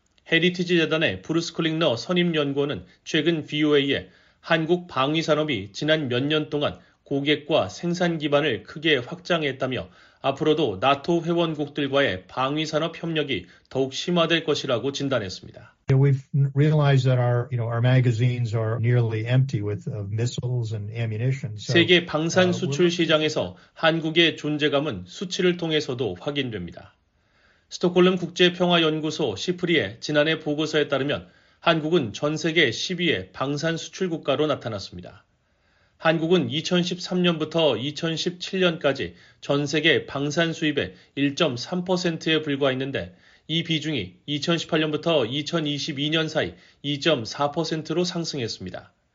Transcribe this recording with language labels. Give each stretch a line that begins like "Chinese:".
Korean: 헤리티지 재단의 브루스 클링너 선임연구원은 최근 VOA에 한국 방위 산업이 지난 몇년 동안 고객과 생산 기반을 크게 확장했다며 앞으로도 나토 회원국들과의 방위 산업 협력이 더욱 심화될 것이라고 진단했습니다.
English: We've realized that our magazines are nearly empty with missiles and ammunition.
Korean: 세계 방산 수출 시장에서 한국의 존재감은 수치를 통해서도 확인됩니다. 스톡홀름 국제평화연구소 시프리의 지난해 보고서에 따르면 한국은 전 세계 10위의 방산 수출 국가로 나타났습니다. 한국은 2013년부터 2017년까지 전 세계 방산 수입의 1.3%에 불과했는데 이 비중이 2018년부터 2022년 사이 2.4%로 상승했습니다.